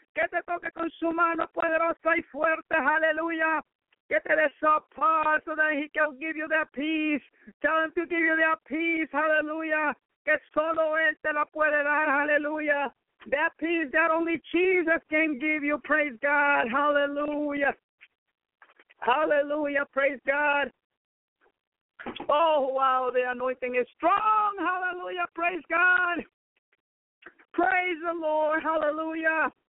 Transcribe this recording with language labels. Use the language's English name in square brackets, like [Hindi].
[Spanish] Que te toque con su mano poderosa y fuerte, hallelujah. Que te dé su paz [English] so that he can give you that peace. Tell him to give you that peace, hallelujah. [Spanish] Que solo él te la puede dar, hallelujah. [English] That peace that only Jesus can give you, praise God, hallelujah. Hallelujah, praise God. Oh, wow, the anointing is strong. Hallelujah, praise God. Praise the Lord, hallelujah.